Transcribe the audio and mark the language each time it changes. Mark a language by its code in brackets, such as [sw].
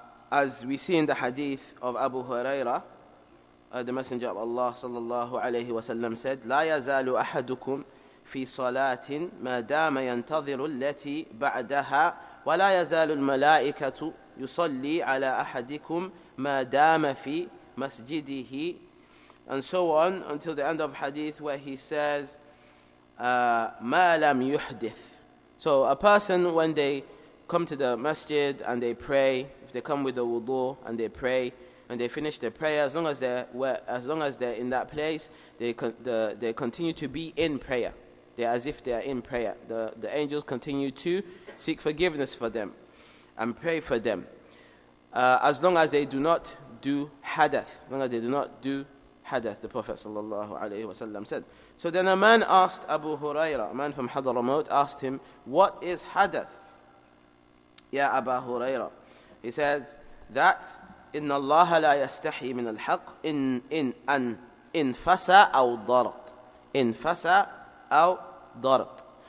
[en] As we see in the hadith of Abu Hurairah, the Messenger of Allah sallallahu alayhi wa sallam said, [ar] لا يزال أحدكم في صلاة ما دام ينتظر التي بعدها ولا يزال الملائكة يصلي على أحدكم ما دام في مسجده. [en] And so on until the end of hadith where he says [ar] ما لم يحدث. [en] So a person when they come to the masjid and they pray, if they come with the wudu and they pray and they finish their prayer, as long as they're in that place, they continue to be in prayer. They're as if they are in prayer. The angels continue to seek forgiveness for them and pray for them. As long as they do not do hadath, as long as they do not do hadath, the Prophet sallallahu alayhi wasallam said. So then a man asked Abu Hurairah, a man from Hadramaut, asked him, what is hadath? Ya Abu Hurairah. He says that [ar] إِنَّ اللَّهَ لَا يَسْتَحِي مِنَ الْحَقِّ إِنْ فَسَى أَوْ ضَرَطْ إِنْ فَسَى أَوْ ضَرَطْ.